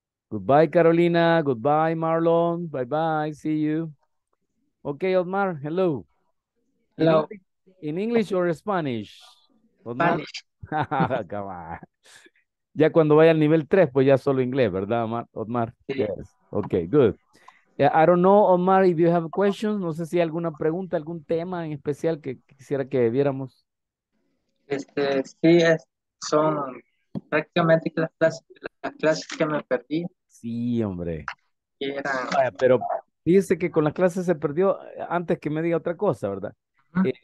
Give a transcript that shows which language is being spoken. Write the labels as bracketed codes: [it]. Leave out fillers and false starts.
[en] Goodbye, Carolina. Goodbye, Marlon. Bye-bye. See you. Okay, Otmar. Hello. Hello. In English or Spanish? Otmar. Spanish. Come on. [es] Ya cuando vaya al nivel 3, pues ya solo inglés, ¿verdad, Otmar? [en] Yes. Okay, good. Yeah, I don't know, Otmar, if you have questions. [es] No sé si hay alguna pregunta, algún tema en especial que quisiera que viéramos. Sí, son prácticamente las clases que me perdí. Sí, hombre. Era... Vaya, pero fíjese que con las clases se perdió antes que me diga otra cosa, ¿verdad? Uh-huh.